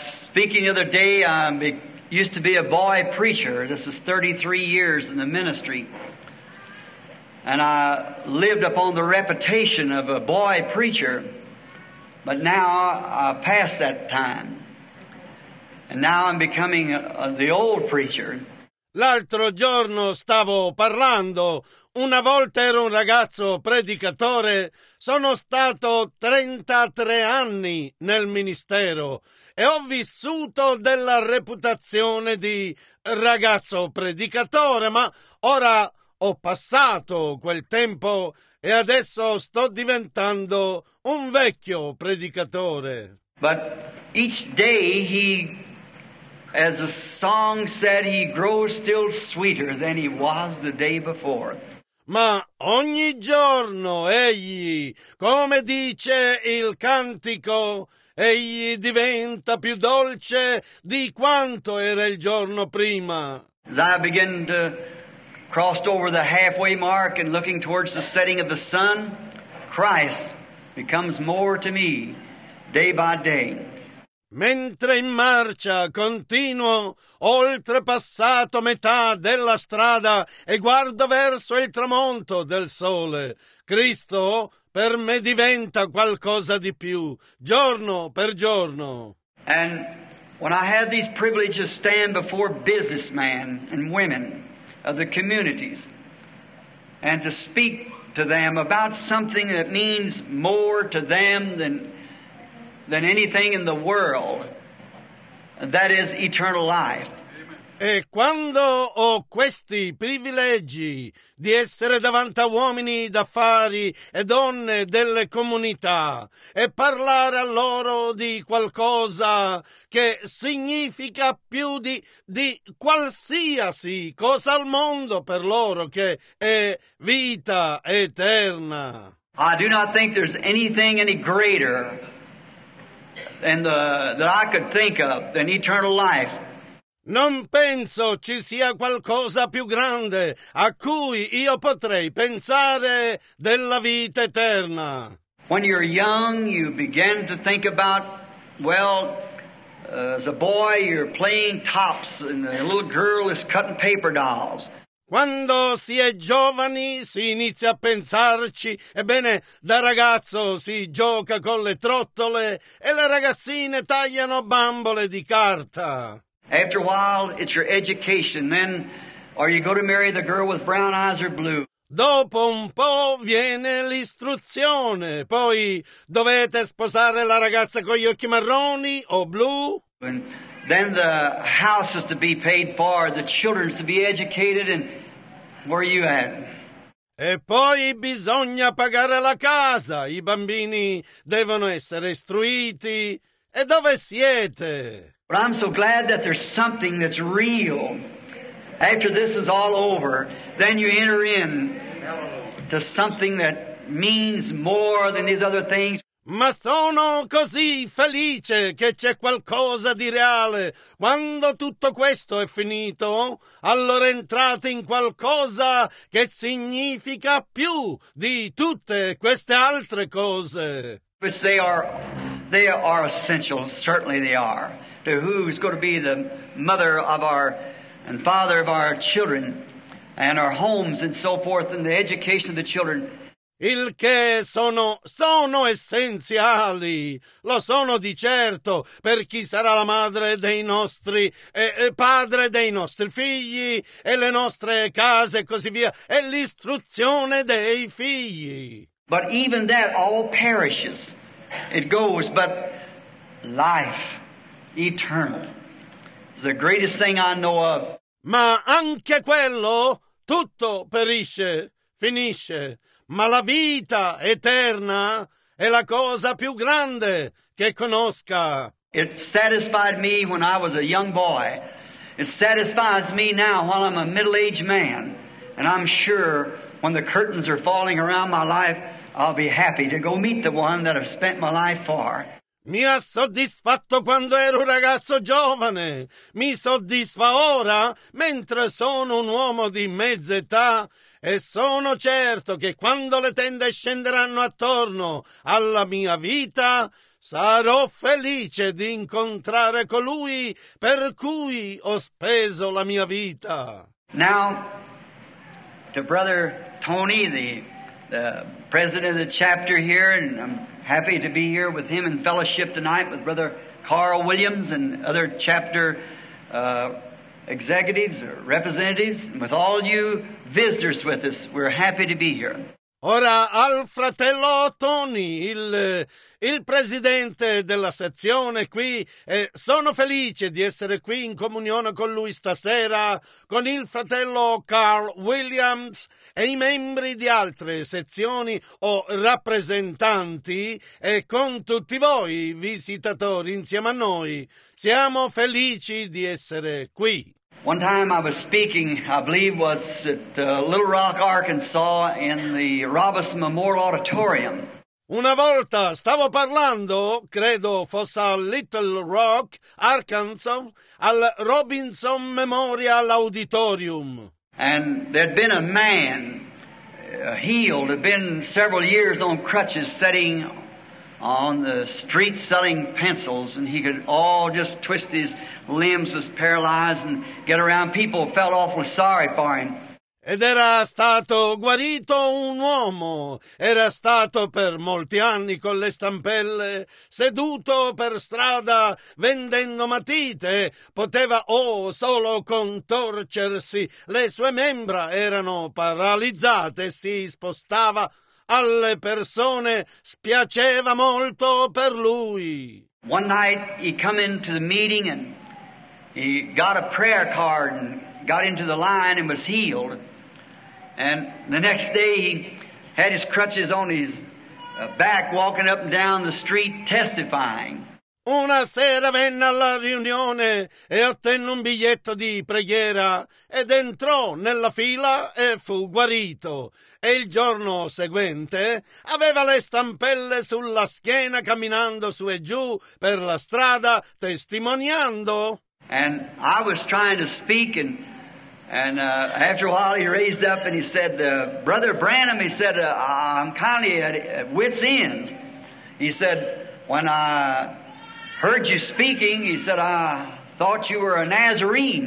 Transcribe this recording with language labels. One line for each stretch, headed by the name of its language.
English: Speaking the other day, it used to be a boy preacher. This is 33 years in the ministry. And I lived upon the reputation of a boy preacher, but now I passed that time, and now I'm becoming the old preacher.
Italian: L'altro giorno stavo parlando, una volta ero un ragazzo predicatore, sono stato 33 anni nel ministero e ho vissuto della reputazione di ragazzo predicatore, ma ora ho passato quel tempo e adesso sto diventando un vecchio predicatore.
English: But each day he, as the song said, he grows still sweeter than he was the day before.
Italian: Ma ogni giorno egli, come dice il cantico, egli diventa più dolce di quanto era il giorno prima.
English: As I begin to crossed over the halfway mark and looking towards the setting of the sun, Christ becomes more to me day by day.
Italian: Mentre in marcia continuo, oltrepassato metà della strada e guardo verso il tramonto del sole, Cristo per me diventa qualcosa di più, giorno per giorno.
English: And when I have these privileges stand before businessmen and women of the communities, and to speak to them about something that means more to them than anything in the world, that is eternal life.
Italian: E quando ho questi privilegi di essere davanti a uomini d'affari e donne delle comunità e parlare a loro di qualcosa che significa più di qualsiasi cosa al mondo per loro, che è vita eterna.
English: I do not think there's anything any greater than that I could think of than eternal life.
Italian: Non penso ci sia qualcosa più grande a cui io potrei pensare della vita eterna.
English: When you're young, you begin to think about, well, as a boy you're playing tops and a little girl is cutting paper dolls.
Italian: Quando si è giovani si inizia a pensarci, ebbene da ragazzo si gioca con le trottole e le ragazzine tagliano bambole di carta.
English: After a while it's your education, then are you going to marry the girl with brown eyes or blue?
Italian: Dopo un po' viene l'istruzione, poi dovete sposare la ragazza con gli occhi marroni o blu.
English: And then the house is to be paid for, the children is to be educated, and where are you at?
Italian: E poi bisogna pagare la casa, i bambini devono essere istruiti, e dove siete?
English: But I'm so glad that there's something that's real. After this is all over, then you enter in to something that means more than these other things.
Italian: Ma sono così felice che c'è qualcosa di reale. Quando tutto questo è finito, allora entrate in qualcosa che significa più di tutte queste altre cose.
English: But they are essential, certainly they are, to who's going to be the mother of our and father of our children and our homes and so forth and the education of the children.
Italian: Il che sono essenziali, lo sono di certo, per chi sarà la madre dei nostri, padre dei nostri figli, e le nostre case e così via, e l'istruzione dei figli.
English: But even that all perishes, it goes, but life eternal is the greatest thing I know of.
Italian: Ma anche quello, tutto perisce, finisce. Ma la vita eterna è la cosa più grande che conosca.
English: It satisfied me when I was a young boy. It satisfies me now while I'm a middle-aged man. And I'm sure when the curtains are falling around my life, I'll be happy to go meet the one that I've spent my life for.
Italian: Mi ha soddisfatto quando ero un ragazzo giovane. Mi soddisfa ora, mentre sono un uomo di mezza età. E sono certo che quando le tende scenderanno attorno alla mia vita, sarò felice di incontrare colui per cui ho speso la mia vita.
English: Now, to Brother Tony, the president of the chapter here, and I'm happy to be here with him in fellowship tonight with Brother Carl Williams and other chapter executives or representatives, and with all you visitors with us, we're happy to be here.
Italian: Ora al fratello Tony, il presidente della sezione qui, sono felice di essere qui in comunione con lui stasera, con il fratello Carl Williams e i membri di altre sezioni o rappresentanti, e con tutti voi visitatori insieme a noi. Siamo felici di essere qui.
English: One time I was speaking, I believe was at Little Rock, Arkansas, in the Robison Memorial Auditorium.
Italian: Una volta stavo parlando, credo fosse a Little Rock, Arkansas, al Robinson Memorial Auditorium.
English: And there'd been a man healed, had been several years on crutches, sitting on the street selling pencils, and he could all just twist his limbs, was paralyzed, and get around. People felt awfully sorry for him.
Italian: Ed era stato guarito un uomo, era stato per molti anni con le stampelle, seduto per strada vendendo matite, poteva solo contorcersi, le sue membra erano paralizzate, si spostava. Alle persone spiaceva molto per lui.
English: One night he come into the meeting and He got a prayer card and got into the line and was healed. And the next day he had his crutches on his back, walking up and down the street testifying.
Italian: Una sera venne alla riunione e ottenne un biglietto di preghiera ed entrò nella fila e fu guarito. E il giorno seguente aveva le stampelle sulla schiena, camminando su e giù per la strada testimoniando.
English: And I was trying to speak, and after a while he raised up and he said, Brother Branham, he said, I'm kindly at wit's ends. He said, when I heard you speaking, he said, I thought you were a Nazarene.